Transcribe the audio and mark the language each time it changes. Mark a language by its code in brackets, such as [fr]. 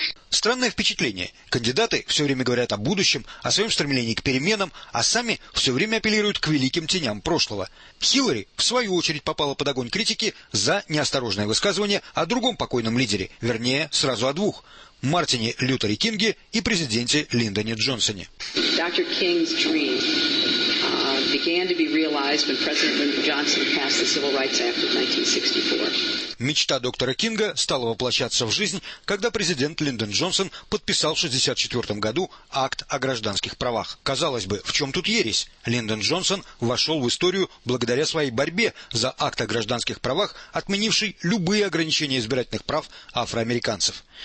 [ru] Странное впечатление. Кандидаты все время говорят о будущем, о своем стремлении к переменам, а сами все время апеллируют к великим теням прошлого. Хиллари, в свою очередь, попала под огонь критики за неосторожное высказывание о другом покойном лидере, вернее, сразу о двух – Мартине Лютере Кинге и президенте Линдоне Джонсоне. [en] Доктор Кинг's dream began to be realized when President Lyndon Johnson passed the Civil Rights Act of 1964. [ru] Мечта доктора Кинга стала воплощаться в жизнь, когда президент Линдон Джонсон подписал в 1964 году акт о гражданских правах. Казалось бы, в чем тут ересь? Линдон Джонсон вошел в историю благодаря своей борьбе за акт о гражданских правах, отменивший любые ограничения избирательных прав афроамериканцев.